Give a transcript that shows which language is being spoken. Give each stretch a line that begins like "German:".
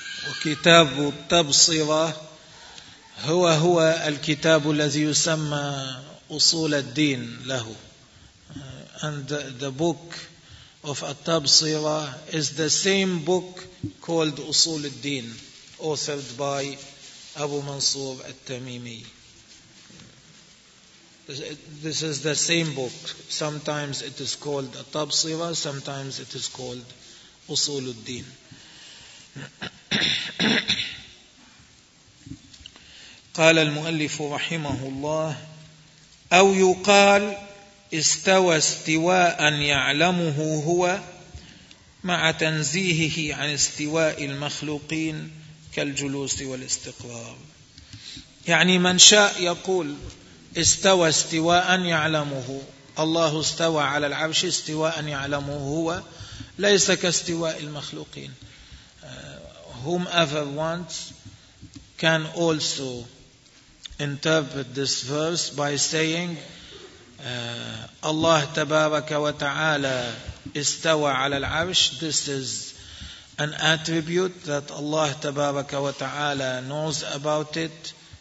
Arabic: وكتاب التبصرة هو الكتاب الذي يسمى أصول الدين له.
English: And the book of At-Tabsira is the same book called أصول الدين, authored by Abu Mansur al-Tamimi. This is the same book. Sometimes it is called At-Tabṣīra, sometimes it is called Usūlud-Dīn.
Arabic: قال المؤلف رحمه الله أو يقال استوى استواء يعلمه هو مع تنزيهه عن استواء المخلوقين كالجلوس والاستقرار. يعني من شاء يقول استوى استواء يعلمه الله استوى على العرش استواء يعلمه هو ليس كاستواء المخلوقين.
English: Whomever wants can also interpret this verse by saying Allah tabaraka wa ta'ala istawa ala al-arsh. This is an attribute that Allah tabaraka wa ta'ala knows about it.